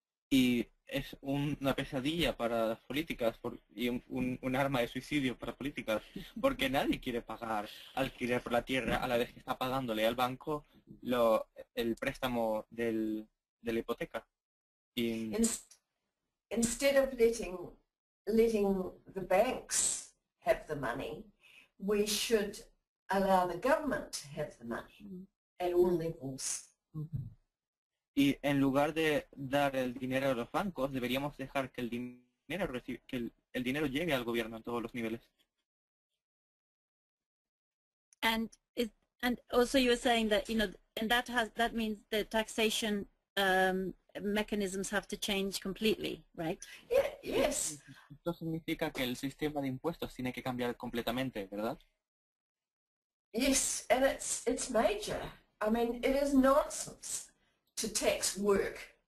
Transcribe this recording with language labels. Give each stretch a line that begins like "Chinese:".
Spanish: Y es una pesadilla para las políticas y un arma de suicidio para políticas, porque nadie quiere pagar alquiler por la tierra a la vez que está pagándole al banco el préstamo de la hipoteca. Y
English: instead of letting the banks have the money, we should allow the government to have the money at all levels.
Spanish: Y en lugar de dar el dinero a los bancos, deberíamos dejar que el dinero llegue al gobierno en todos los niveles.
English: And also you were saying that, you know, and that means the taxation mechanisms have to change completely, right? Yeah, yes.
Spanish: Esto significa que el sistema de impuestos tiene que cambiar completamente, ¿verdad?
English: Yes, and it's major. I mean, it is nonsense to tax work